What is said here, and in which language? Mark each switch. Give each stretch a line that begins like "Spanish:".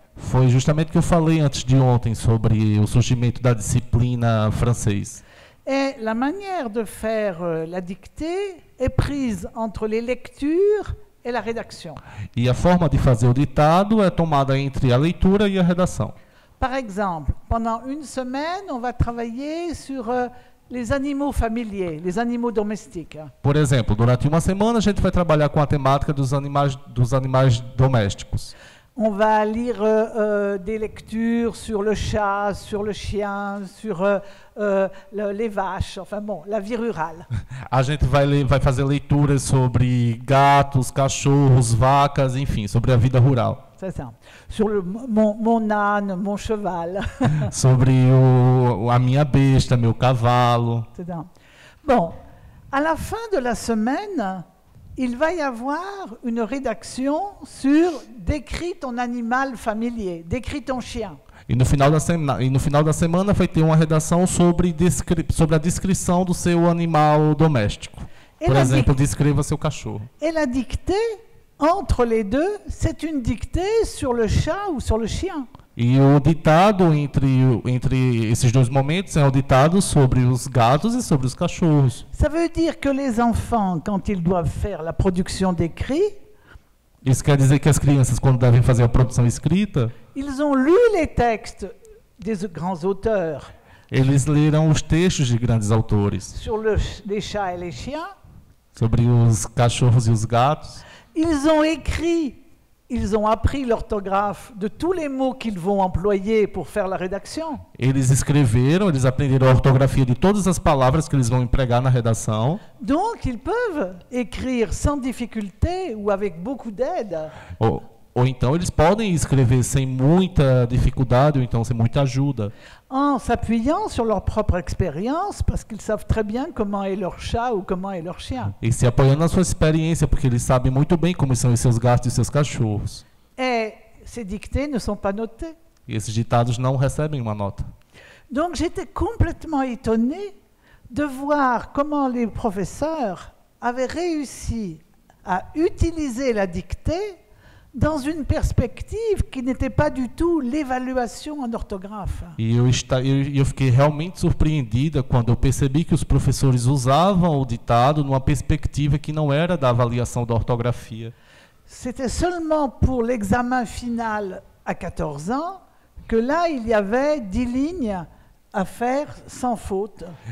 Portuguese: Foi justamente o que eu falei antes de ontem sobre o surgimento da disciplina francesa.
French: Et la manière de faire la dictée est prise entre les lectures et la rédaction.
Portuguese: E a forma de fazer o ditado é tomada entre a leitura e a redação.
French: Par exemple, pendant une semaine, on va travailler sur les animaux familiers, les animaux domestiques.
Portuguese: Por exemplo, durante uma semana a gente vai trabalhar com a temática dos animais domésticos.
French: On va lire des lectures sur le chat, sur le chien, sur les vaches, enfin bon, la vie rurale.
Portuguese: A gente vai fazer leituras sobre gatos, cachorros, vacas, enfim, sobre a vida rural.
French: C'est ça. Sur le, mon âne, mon cheval.
Portuguese: Sobre a minha besta, meu cavalo.
French: C'est ça. Bon, à la fin de la semaine, il va y avoir une rédaction sur décris ton animal familier, décris ton chien.
Portuguese: E no final da semana, vai ter uma redação sobre sobre a descrição do seu animal doméstico. Et por exemplo, descreva seu cachorro.
French: Et la dictée entre les deux, c'est une dictée sur le chat ou sur le chien.
Portuguese: E o ditado entre esses dois momentos é o ditado sobre os gatos e sobre os cachorros.
French: Ça veut dire que les enfants, quand ils doivent faire la production d'écrit,
Portuguese: isso quer dizer que as crianças, quando devem fazer a produção escrita,
French: ils ont lu les textes des grands auteurs.
Portuguese: Eles leram os textos de grandes autores.
French: Sur les chats et les chiens.
Portuguese: Sobre os cachorros e os gatos.
French: Ils ont écrit. Ils ont appris l'orthographe de tous les mots qu'ils vont employer pour faire la rédaction.
Portuguese: Eles escreveram, eles aprenderam a ortografia de todas as palavras que eles vão empregar na redação.
French: Donc, ils peuvent écrire sans difficulté ou avec beaucoup d'aide.
Portuguese: Ou então, eles podem escrever sem muita dificuldade ou então sem muita ajuda.
French: En s'appuyant sur leur propre expérience, parce qu'ils savent très bien comment est leur chat ou comment est leur chien.
Portuguese: E se apoiando na sua experiência, porque eles sabem muito bem como são os seus gatos e seus cachorros.
French: Et ces dictées ne sont pas notées.
Portuguese: E esses ditados não recebem uma nota.
French: Donc j'étais complètement étonné de voir comment les professeurs avaient réussi à utiliser la dictée dans une perspective qui n'était pas du tout l'évaluation en orthographe.
Portuguese: E eu fiquei realmente surpreendida quando eu percebi que os professores usavam o ditado numa perspectiva que não era da avaliação da ortografia.
French: C'était seulement pour l'examen final à 14 ans que là il y avait 10 lignes à faire sans faute.